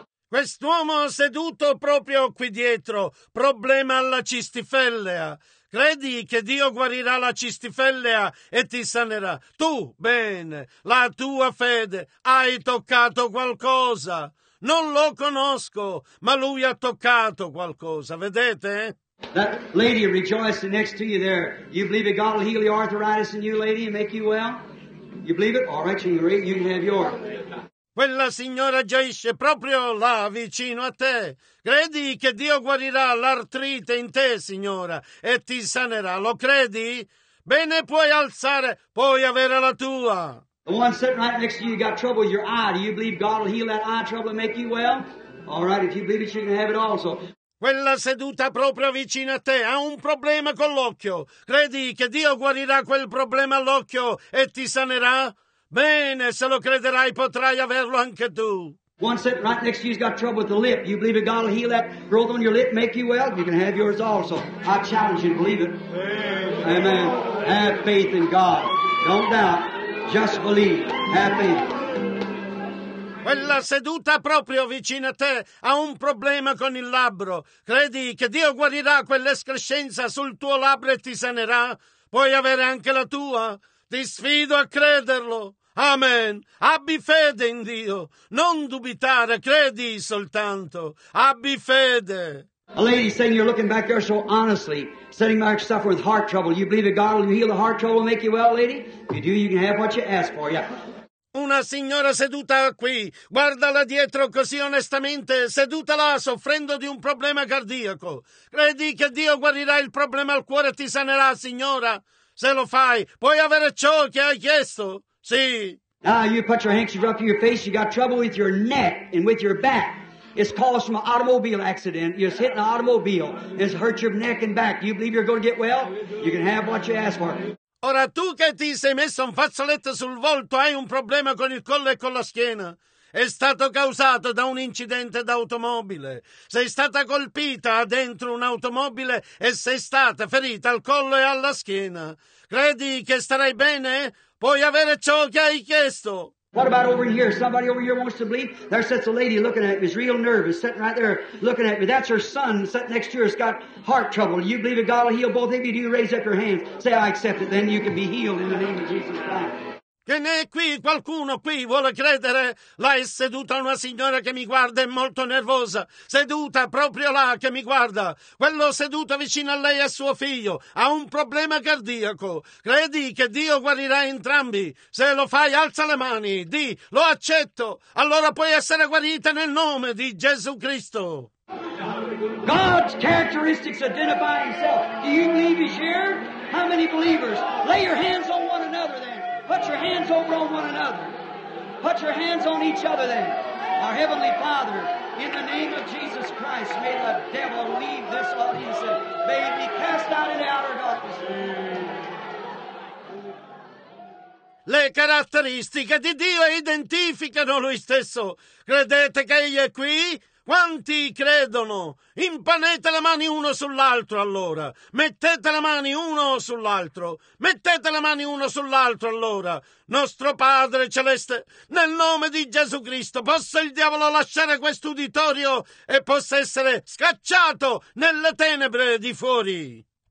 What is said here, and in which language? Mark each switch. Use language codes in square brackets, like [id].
[it] Quest'uomo seduto proprio qui dietro, problema alla cistifellea. Credi che Dio guarirà la cistifellea e ti sanerà? Tu, bene, la tua fede, hai toccato qualcosa. Non lo conosco, ma lui ha toccato qualcosa, vedete? [en] That lady rejoiced next to you there. You believe that God will heal the arthritis in you, lady, and make you well? You believe it? All right, you can have yours. [it] Quella signora gioisce proprio là, vicino a te. Credi che Dio guarirà l'artrite in te, signora, e ti sanerà. Lo credi? Bene, puoi alzare, puoi avere la tua. [en] The one sitting right next to you got trouble with your eye. Do you believe God will heal that eye trouble and make you well? All right, if you believe it, you can have it also. [it] Quella seduta proprio vicino a te ha un problema con l'occhio. Credi che Dio guarirà quel problema all'occhio e ti sanerà? Bene, se lo crederai potrai averlo anche tu. [en] One sitting right next to you's got trouble with the lip. You believe that God will heal that growth on your lip, make you well? You can have yours also. I challenge you to believe it. Amen. Amen. Have faith in God. Don't doubt. Just believe. Have faith. [it] Quella seduta proprio vicino a te ha un problema con il labbro. Credi che Dio guarirà quell'escrescenza sul tuo labbro e ti sanerà? Puoi avere anche la tua? Ti sfido a crederlo. Amen. Abbi fede in Dio. Non dubitare, credi soltanto. Abbi fede. [en] A lady saying you're looking back there so honestly, sitting back suffering with heart trouble. You believe that God will heal the heart trouble and make you well, lady? If you do, you can have what you ask for, yeah. [it] Una signora seduta qui, guardala dietro così onestamente, seduta là soffrendo di un problema cardiaco. Credi che Dio guarirà il problema al cuore e ti sanerà, signora? Se lo fai, puoi avere ciò che hai chiesto? Sì. [en] Now you put your handkerchief up to your face, you got trouble with your neck and with your back. It's caused from an automobile accident. You just hit an automobile. It's hurt your neck and back. Do you believe you're going to get well? You can have what you ask for. [it] Ora tu che ti sei messo un fazzoletto sul volto, hai un problema con il collo e con la schiena. È stato causato da un incidente d'automobile. Sei stata colpita dentro un'automobile e sei stata ferita al collo e alla schiena. Credi che starai bene? Puoi avere ciò che hai chiesto. [en] What about over here? Somebody over here wants to believe? There sits a lady looking at me. She's real nervous, sitting right there looking at me. That's her son sitting next to her. He's got heart trouble. You believe that God will heal both of you? Do you raise up your hands? Say, I accept it. Then you can be healed in the name of Jesus Christ. [it] Che ne è qui? Qualcuno qui vuole credere? Là è seduta una signora che mi guarda, è molto nervosa. Seduta proprio là che mi guarda. Quello seduto vicino a lei è suo figlio. Ha un problema cardiaco. Credi che Dio guarirà entrambi? Se lo fai, alza le mani. Di, lo accetto. Allora puoi essere guarita nel nome di Gesù Cristo. [en] God's characteristics identify himself. Do you believe he's here? How many believers? Lay your hands on one another then. Put your hands over on one another. Put your hands on each other then. Our Heavenly Father, in the name of Jesus Christ, may the devil leave this body and say, may it be cast out in the outer darkness. [it] Le caratteristiche di Dio identificano Lui stesso. Credete che Egli è qui? Quanti credono? Imponete le mani uno sull'altro allora. Mettete le mani uno sull'altro. Mettete le mani uno sull'altro allora. Nostro Padre Celeste, nel nome di Gesù Cristo, possa il diavolo lasciare questo uditorio e possa essere scacciato nelle tenebre di fuori.